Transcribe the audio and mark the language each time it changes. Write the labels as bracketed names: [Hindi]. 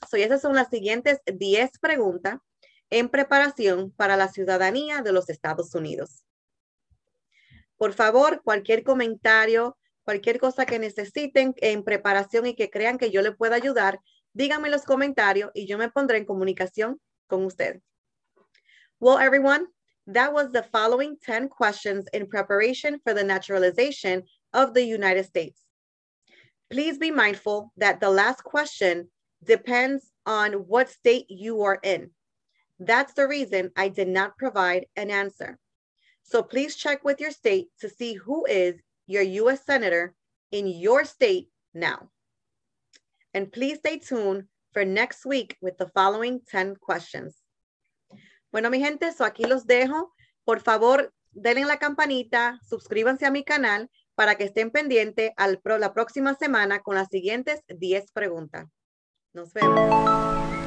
[Spanish] So, esas son las siguientes 10 preguntas en preparación para la ciudadanía de los Estados Unidos. Por favor, cualquier comentario, Cualquier cosa que necesiten en preparación y que crean que yo le pueda ayudar, díganme en los comentarios y yo me pondré en comunicación con usted. [English] Well, everyone, that was the following 10 questions in preparation for the naturalization of the United States. Please be mindful that the last question depends on what state you are in. That's the reason I did not provide an answer. So please check with your state to see who is your U.S. Senator in your state now. And please stay tuned for next week with the following 10 questions. [Spanish] Bueno, mi gente, so aquí los dejo. Por favor, denle la campanita, suscríbanse a mi canal para que estén pendientes la próxima semana con las siguientes 10 preguntas. Nos vemos.